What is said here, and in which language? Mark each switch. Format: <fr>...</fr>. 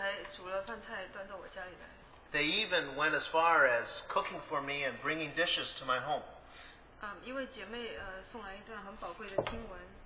<zh>他们甚至还煮了饭菜端到我家里来。</zh> <en>They even went as far as cooking for me and bringing dishes to my home.</en> <zh>一位姐妹, 送来一段很宝贵的经文。</zh>